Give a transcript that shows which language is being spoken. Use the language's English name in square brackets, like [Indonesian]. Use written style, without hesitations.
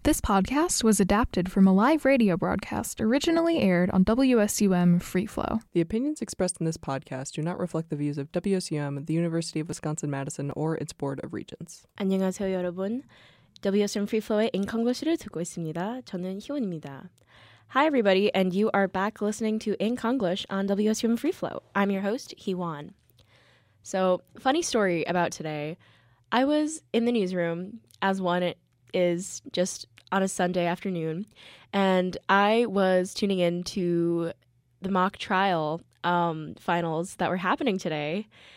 [English] This podcast was adapted from a live radio broadcast originally aired on WSUM Free Flow. The opinions expressed in this podcast do not reflect the views of WSUM, the University of Wisconsin-Madison, or its Board of Regents. [Korean] 안녕하세요, 여러분. WSUM Free Flow의 인콩글리시를 듣고 있습니다. 저는 희원입니다. [English] Hi, everybody, and you are back listening to Inconglish on WSUM Free Flow. I'm your host, Hee-Wan. So, funny story about today. I was in the newsroom, as one is, just on a Sunday afternoon, and I was tuning in to the mock trial finals that were happening today.